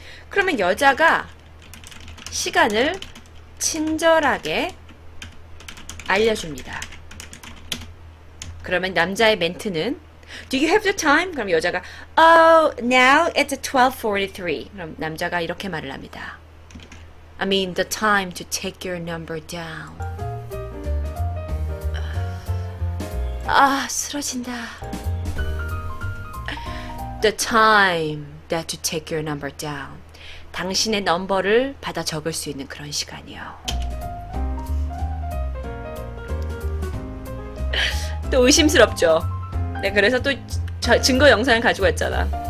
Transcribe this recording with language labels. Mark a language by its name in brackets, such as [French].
[Korean] 그러면 여자가 시간을 친절하게 알려줍니다. 그러면 남자의 멘트는 [English] Do you have the time? [Korean] 그럼 여자가 [English] Oh, now it's 12:43. [Korean] 그럼 남자가 이렇게 말을 합니다. [English] I mean the time to take your number down. [Korean] 아, 쓰러진다. [English] The time that to take your number down. [Korean] 당신의 넘버를 받아 적을 수 있는 그런 시간이요. 또 의심스럽죠? 네, 그래서 또 증거 영상을 가지고 왔잖아.